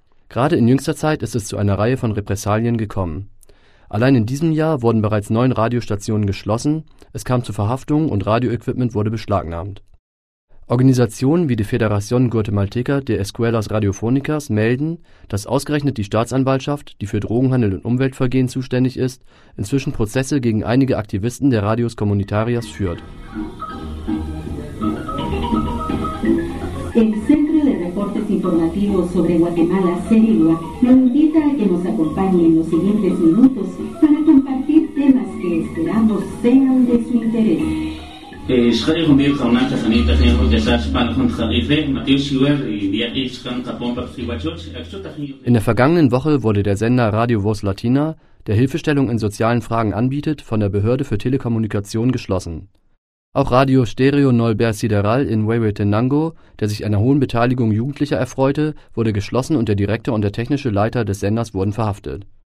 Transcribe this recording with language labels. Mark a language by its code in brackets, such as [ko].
[de] Gerade in jüngster Zeit ist es zu einer Reihe von Repressalien gekommen. Allein in diesem Jahr wurden bereits 9 Radiostationen geschlossen, es kam zu Verhaftungen und Radioequipment wurde beschlagnahmt. Organisationen wie die Federación Guatemalteca de Escuelas Radiofónicas melden, dass ausgerechnet die Staatsanwaltschaft, die für Drogenhandel und Umweltvergehen zuständig ist, inzwischen Prozesse gegen einige Aktivisten der Radios Comunitarias führt. [es] El Centro de Reportes Informativos sobre Guatemala, CERIGUA, lo invita a que nos acompañe en los siguientes minutos para compartir temas que esperamos sean de su interés. [de] In der vergangenen Woche wurde der Sender Radio Voz Latina, der Hilfestellung in sozialen Fragen anbietet, von der Behörde für Telekommunikation geschlossen. Auch Radio Stereo Nolbert Sideral in Huehuetenango, der sich einer hohen Beteiligung Jugendlicher erfreute, wurde geschlossen und der Direktor und der technische Leiter des Senders wurden verhaftet.